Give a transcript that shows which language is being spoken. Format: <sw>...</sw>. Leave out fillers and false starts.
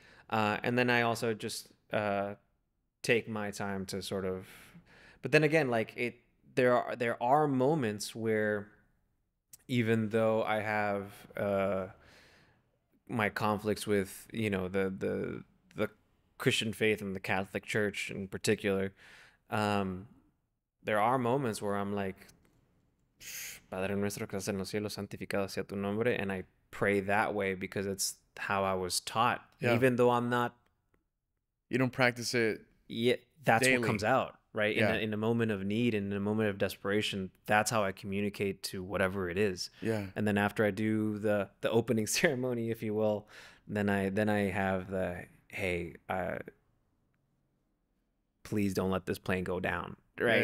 <en>And then I also just take my time to sort of, but then again, like there are moments where even though I have my conflicts with, you know, the Christian faith and the Catholic Church in particular, there are moments where I'm like,</en> <es>Padre nuestro que estás en los cielos, santificado sea tu nombre.</es> <en>And I pray that way because it's how I was taught, yeah. even though I'm not. You don't practice it. Yeah, that's daily. What comes out, right? Yeah. In a moment of need, in a moment of desperation, that's how I communicate to whatever it is. Yeah. And then after I do the opening ceremony, if you will, then I have the, hey, please don't let this plane go down, right?</en>